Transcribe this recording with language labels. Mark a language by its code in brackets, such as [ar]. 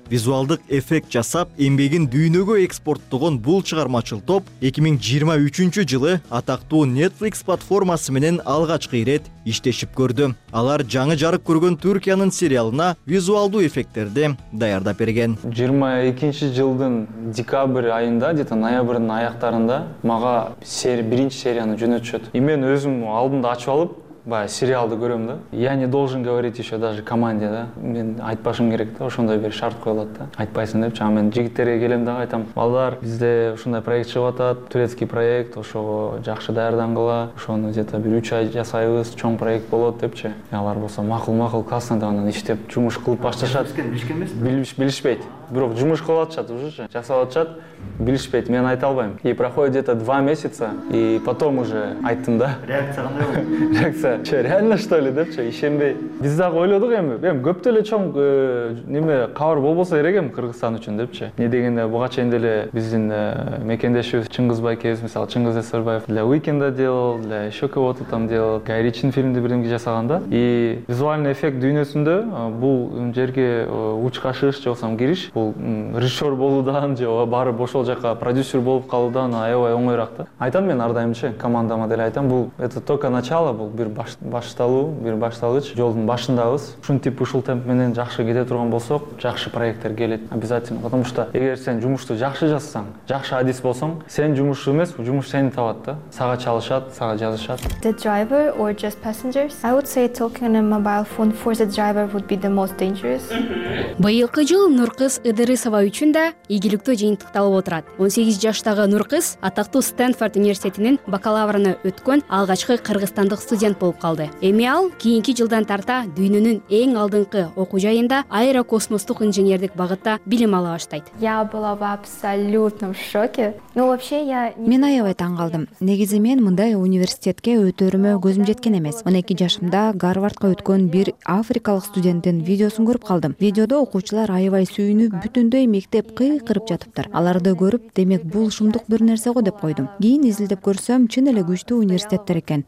[ky] Визуалдык эффект жасап, эмгегин дүйнөгө экспорттогон бул чыгармачыл топ 2023 жылы атактуу Netflix платформасы менен алгачкы ирет иштешип көрдү. Алар жаңы жарык көргөн Түркиянын сериалына визуалдуу эффекттерди даярдап берген. 22 жылдын декабрь айында, [ru] где-то [ky] ноябрдын аяктарында мага биринчи серияны жөнөтүшөт. И мен өзүм алдымда ачып алып баягы сериалды көрөм да. [ru] Я не должен говорить еще даже команде, да. [ky] Мен айтпашым керек да, ошондой бир шарт коюлат да. Айтпайсың депчи, а мен жигиттерге келем дагы айтам. Балдар, бизде ушундай проект чыгып атат, [ru] турецкий проект, [ky] ошого жакшы даярдангыла, ошону где-то бир 3 ай жасайбыз, чоң проект болот депчи. Алар болсо макул-макул классно да анан иштеп жумуш кылып башташат. Билишпейт. Бирок жумуш кылып атышат ужечи, жасап атышат, билишпейт, мен айта албайм. [ru] И проходит где-то 2 месяца, и потом уже [ky] айттым да. Реакция кандай болду? [ru] Реакция, че реально что ли [ky] депчи, ишенбей. Биз дагы ойлодук эми, эми көптө эле чоң неме кабар болбосо керек эми Кыргызстан үчүн депчи. Эмне дегенде буга чейин деле биздин мекендешибиз Чыңгыз байкебиз, мисалы Чыңгыз Эсербаев [ru] для Уикенда делал, для еще кого-то там делал, [ky] Гай Ричин фильмди бирдемке жасаган да. [ru] И визуальный эффект [ky] дүйнөсүндө бул жерге учка шыгыш же болсом кириш, бул режиссер болуудан же барып ошол ошол жака продюсер болуп калуудан аябай оңойраак да. Айтам мен ардайымчы командама деле айтам, бул [ru] это только начало, [ky] бул бир башталуу, бир башталгыч. Жолдун башындабыз. Ушинтип ушул темп менен жакшы кете турган болсок, жакшы проекттер келет обязательно. [ru] Потому что [ky] эгер сен жумушту жакшы жазсаң, жакшы адис болсоң, сен жумушту эмес, жумуш сени табат да. Сага чалышат, сага жазышат. [en] The driver or just passengers? I would say talking on a mobile phone for the driver would be the most dangerous. [ky] Быйылкы жыл Нуркыз Ыдырысова үчүн да ийгиликтүү жыйынтыкталып отурат. 18 жаштагы Нуркыз атактуу Стэнфорд университетинин бакалаврына өткөн алгачкы кыргызстандык студент болуп калды. Эми ал кийинки жылдан тарта дүйнөнүн эң алдыңкы окуу жайында аэрокосмостук инженердик багытта билим ала баштайт. [ru] Я была в абсолютном шоке. Ну вообще я [ky] Мен аябай таң калдым. Негизи мен мындай университетке өтөрүмө көзүм жеткен эмес. 12 жашымда Гарвардка өткөн бир африкалык студенттин видеосун көрүп калдым. Видеодо окуучулар аябай сүйүнүп, бүтүндөй мектеп кыйкырып жатыптыр. Аларды көрүп, демек бул шумдук бир нерсе го деп койдум. Кийин изилдеп көрсөм, чын эле күчтүү университеттер экен.